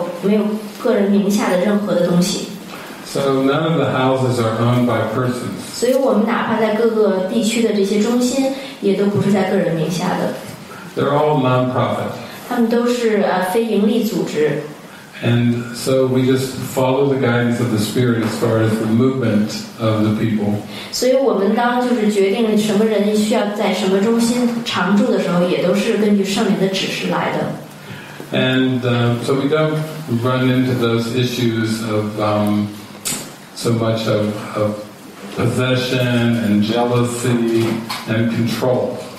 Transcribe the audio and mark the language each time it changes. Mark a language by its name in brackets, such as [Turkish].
[Chinese] 然后我们的还有一个原则，就是我们没有个人的财产，然后也没有个人名下的任何的东西。 [English] So none of the houses are owned by persons. [Chinese] 所以我们哪怕在各个地区的这些中心，也都不是在个人名下的。 [English] They're all non-profit. [Chinese] 他们都是非盈利组织。 [English] And so we just follow the guidance of the Spirit as far as the movement of the people. [Chinese] 所以我们当就是决定什么人需要在什么中心常住的时候，也都是根据圣灵的指示来的。 [English] And so we don't run into those issues of so much of possession and jealousy and control.